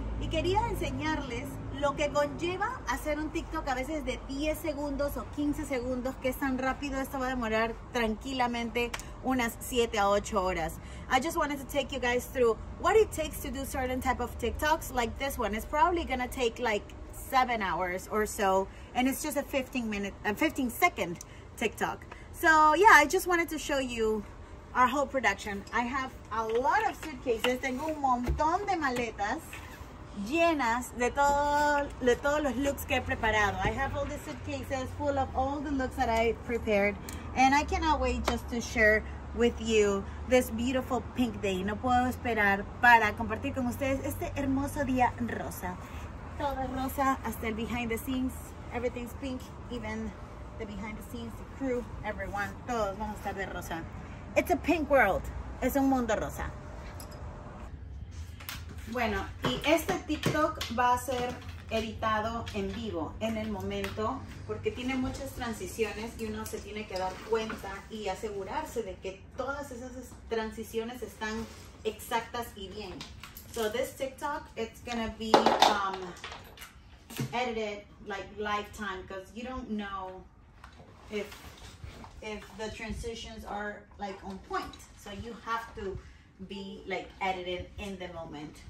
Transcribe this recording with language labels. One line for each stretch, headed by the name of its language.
Spanish: Y quería enseñarles lo que conlleva hacer un TikTok a veces de 10 segundos o 15 segundos, que es tan rápido, esto va a demorar tranquilamente unas 7 a 8 horas.
English: I just wanted to take you guys through what it takes to do certain type of TikToks like this one. It's probably gonna take like 7 hours or so, and it's just a 15 second TikTok. So yeah, I just wanted to show you our whole production. I have a lot of suitcases.
Spanish: Tengo un montón de maletas llenas de todos los looks que he preparado.
English: I have all the suitcases full of all the looks that I prepared, and I cannot wait just to share with you this beautiful pink day.
Spanish: No puedo esperar para compartir con ustedes este hermoso día rosa. Todo rosa, hasta el behind the scenes.
English: Everything's pink, even the behind the scenes, the crew, everyone.
Spanish: Todos vamos a estar de rosa.
English: It's a pink world.
Spanish: Es un mundo rosa. Bueno, y este TikTok va a ser editado en vivo, en el momento, porque tiene muchas transiciones y uno se tiene que dar cuenta y asegurarse de que todas esas transiciones están exactas y bien.
English: So this TikTok, it's gonna be edited like lifetime, because you don't know if the transitions are like on point. So you have to be like edited in the moment.